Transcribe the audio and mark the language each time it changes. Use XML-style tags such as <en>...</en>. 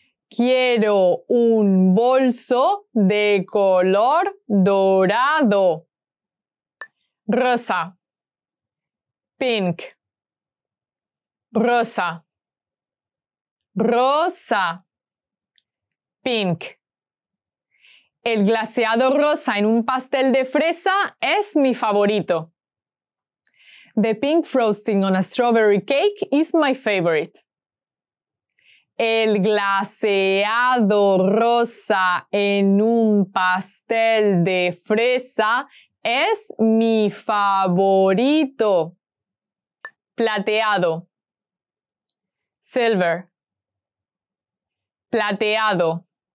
<es>Quiero un bolso de color dorado. Rosa. Pink. Rosa. Rosa. Pink. El glaseado rosa en un pastel de fresa es mi favorito.</es> <en>The pink frosting on a strawberry cake is my favorite.</en> <es>El glaseado rosa en un pastel de fresa es mi favorito. Plateado. Silver. Plateado.</es>